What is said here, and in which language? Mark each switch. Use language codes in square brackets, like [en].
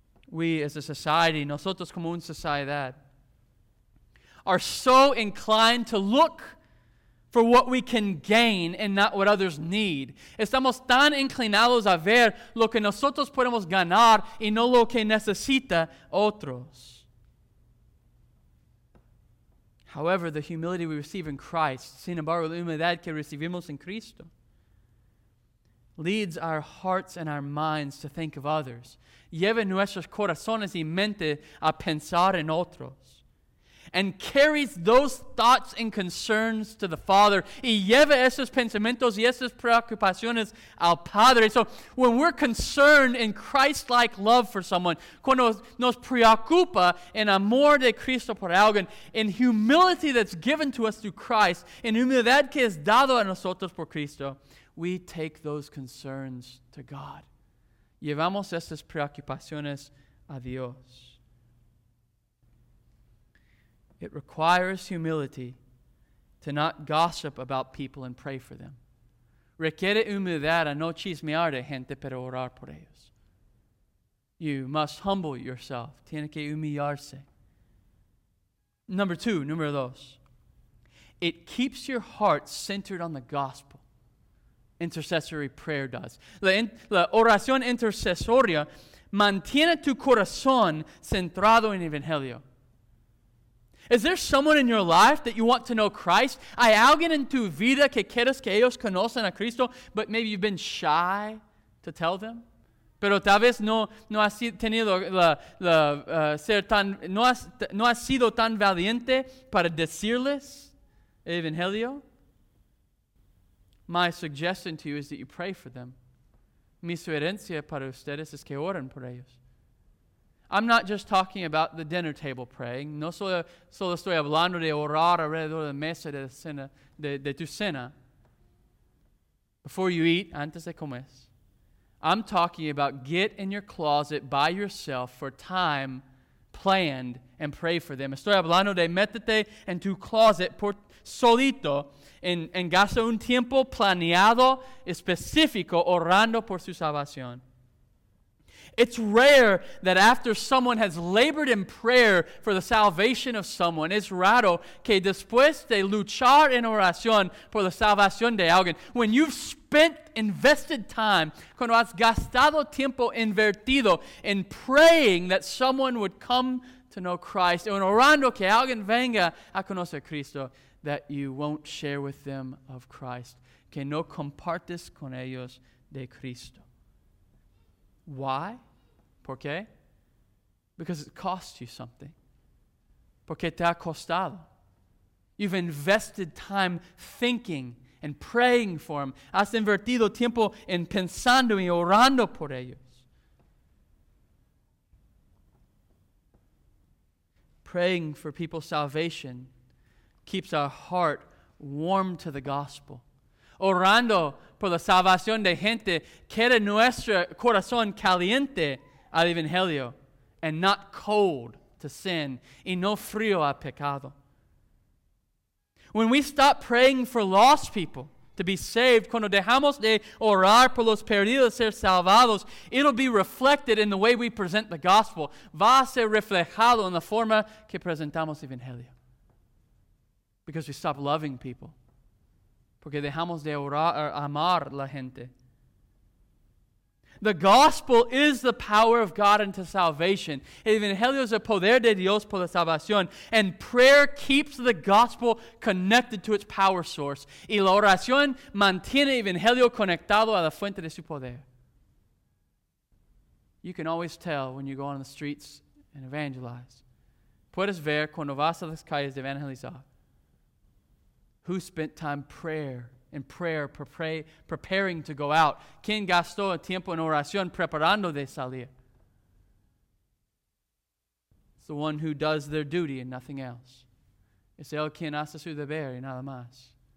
[en] We as a society, [es] nosotros como una sociedad, [en] are so inclined to look for what we can gain and not what others need. [es] Estamos tan inclinados a ver lo que nosotros podemos ganar y no lo que necesita otros. [en] However, the humility we receive in Christ, [es] sin embargo, la humildad que recibimos en Cristo, [en] leads our hearts and our minds to think of others. [es] Lleva nuestros corazones y mente a pensar en otros. [en] and carries those thoughts and concerns to the Father. [es] Y lleva esos pensamientos y esas preocupaciones al Padre. [en] So when we're concerned in Christ-like love for someone, [es] cuando nos preocupa en amor de Cristo por alguien, [en] in humility that's given to us through Christ, in [es] humildad que es dado a nosotros por Cristo, [en] we take those concerns to God. [es] Llevamos esas preocupaciones a Dios. [en] It requires humility to not gossip about people and pray for them. [es] Requiere humildad a no chismear de gente pero orar por ellos. [en] You must humble yourself. [es] Tiene que humillarse. Número dos. [en] It keeps your heart centered on the gospel. Intercessory prayer does. [es] La oración intercesoria mantiene tu corazón centrado en el evangelio. [en] Is there someone in your life that you want to know Christ? [es] Hay alguien en tu vida que quieres que ellos conozcan a Cristo, [en] but maybe you've been shy to tell them? [es] Pero tal vez no has sido tan valiente para decirles el evangelio. [en] My suggestion to you is that you pray for them. [es] Mi sugerencia para ustedes es que oren por ellos. [en] I'm not just talking about the dinner table praying. [es] No solo estoy hablando de orar alrededor de la mesa de tu cena. [en] Before you eat, [es] antes de comer. [en] I'm talking about get in your closet by yourself for time planned and pray for them. [es] Estoy hablando de métete en tu closet por solito en gasta un tiempo planeado específico orando por su salvación. [en] It's rare that after someone has labored in prayer for the salvation of someone, [es] es raro que después de luchar en oración por la salvación de alguien, [en] when you've invested time, [es] cuando has gastado tiempo invertido [en] in praying that someone would come to know Christ, [es] en orando que alguien venga a conocer Cristo, [en] that you won't share with them of Christ, [es] que no compartes con ellos de Cristo. [en] Why? [es] ¿Por qué? [en] Because it costs you something. [es] Porque te ha costado. [en] You've invested time thinking and praying for them. [es] Has invertido tiempo en pensando y orando por ellos. [en] Praying for people's salvation keeps our heart warm to the gospel. [es] Orando por la salvación de gente quiere nuestro corazón caliente al evangelio [en] and not cold to sin [es] y no frío al pecado. [en] When we stop praying for lost people to be saved, [es] cuando dejamos de orar por los perdidos ser salvados, [en] it'll be reflected in the way we present the gospel. [es] Va a ser reflejado en la forma que presentamos el evangelio. [en] Because we stop loving people. [es] Porque dejamos de orar, amar la gente. [en] The gospel is the power of God unto salvation. [es] El evangelio es el poder de Dios por la salvación. [en] And prayer keeps the gospel connected to its power source. [es] Y la oración mantiene el evangelio conectado a la fuente de su poder. [en] You can always tell when you go on the streets and evangelize. [es] Puedes ver cuando vas a las calles de evangelizar. [en] Who spent time preparing to go out? [es] ¿Quién gastó tiempo en oración preparando de salir? [en] It's the one who does their duty and nothing else. [es] Es el quien hace su deber y nada más.